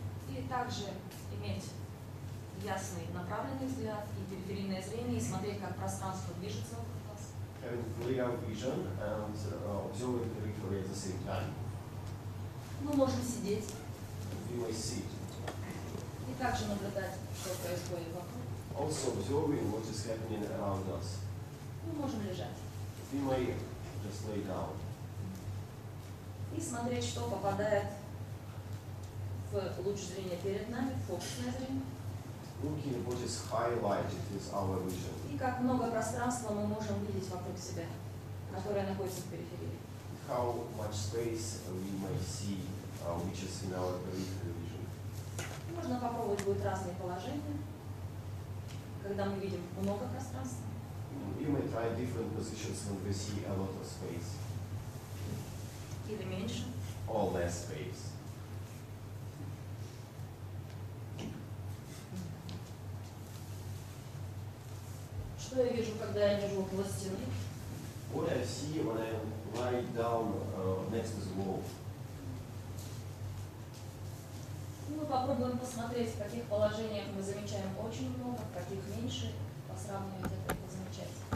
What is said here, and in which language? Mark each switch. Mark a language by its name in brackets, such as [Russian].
[Russian] И также иметь ясный направленный взгляд и периферийное зрение и смотреть, как пространство движется вокруг вас. [English] Having clear vision and observing periphery at the same time. [Russian] Мы можем сидеть. [English] We may sit. [Russian] И также наблюдать, что происходит вокруг. [English] Also observing what is happening around us. [Russian] Мы можем лежать. [English] We may just lay down. [Russian] И смотреть, что попадает в луч зрения перед нами, в фокусное зрение. [English] Looking what is highlighted is our vision. [Russian] И как много пространства мы можем видеть вокруг себя, которое находится в периферии. [English] How much space we may see, which is in our peripheral vision. [Russian] Можно попробовать будет разные положения, когда мы видим много пространства. [English] You may try different positions when we see a lot of space. [Russian] Или меньше. [English] Or less space. [Russian] Что я вижу, когда я лежу около стены? [English] What I see when I lie down next to the wall. [Russian] Мы попробуем посмотреть, в каких положениях мы замечаем очень много, в каких меньше, по сравнению с этим.